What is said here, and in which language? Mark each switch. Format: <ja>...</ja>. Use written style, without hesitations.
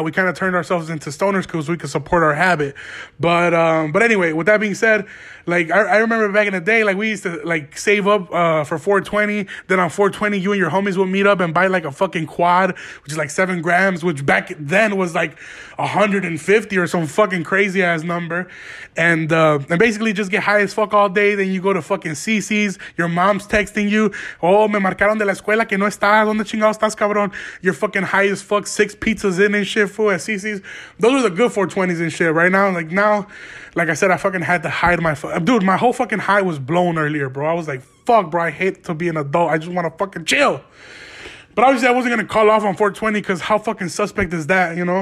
<en>Now we kind of turned ourselves into stoners because we could support our habit. But anyway, with that being said, like, I remember back in the day, like, we used to, like, save up for 420. Then on 420, you and your homies would meet up and buy, like, a fucking quad, which is, like, 7 grams, which back then was, like, 150 or some fucking crazy-ass number. And basically just get high as fuck all day. Then you go to fucking CC's. Your mom's texting you.</en> <es>Oh, me marcaron de la escuela que no estás. ¿Dónde chingado estás, cabrón?</es> <en>You're fucking high as fuck. 6 pizzas in and shit, fool, at CC's. Those were the good 420s and shit. Right now, like, like I said, I fucking had to hide my... Dude, my whole fucking high was blown earlier, bro. I was like, fuck, bro. I hate to be an adult. I just want to fucking chill. But obviously, I wasn't going to call off on 420, because how fucking suspect is that, you know?</en>